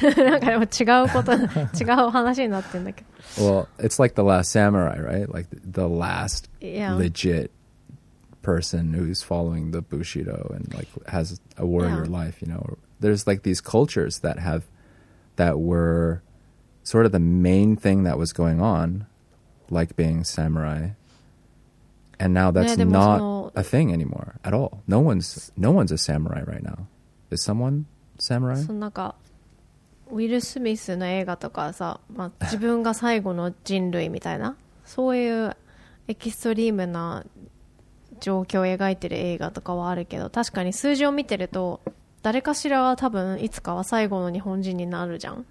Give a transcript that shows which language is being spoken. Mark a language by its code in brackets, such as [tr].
[ja] なんかでも違うこと、違う話になってんだけど。 [en] Well, it's like the last samurai, right? Like the last legit person who's following the Bushido and like has a warrior life, you know. There's like these cultures that have, that were sort of the main thing that was going on, like being samurai. And now that's not a thing anymore at all. No one's a samurai right now. Is someone samurai? [ja] ウィル・スミスの映画とかさ、まあ、自分が最後の人類みたいな、そういうエキストリームな状況を描いてる映画とかはあるけど、確かに数字を見てると誰かしらは多分いつかは最後の日本人になるじゃん。